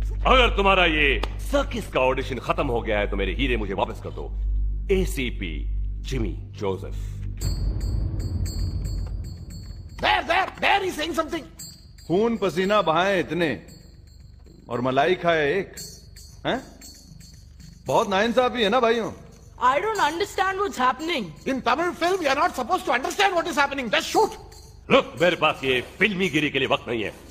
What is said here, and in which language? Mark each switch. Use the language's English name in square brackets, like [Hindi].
[Hindi] अगर तुम्हारा ये सर्किस का ऑडिशन खत्म हो गया है तो मेरे हीरे मुझे वापस कर दो. [English] ACP Jimmy Joseph. There he saying something. [Hindi] खून पसीना बहाए इतने और मलाई खाए एक है? बहुत नाइंसाफी है ना भाइयों. [English] I don't understand what's happening. In Tamil film, you are not supposed to understand what is happening. Just shoot. [Hindi] Look, मेरे पास ये फिल्मी गिरी के लिए वक्त नहीं है.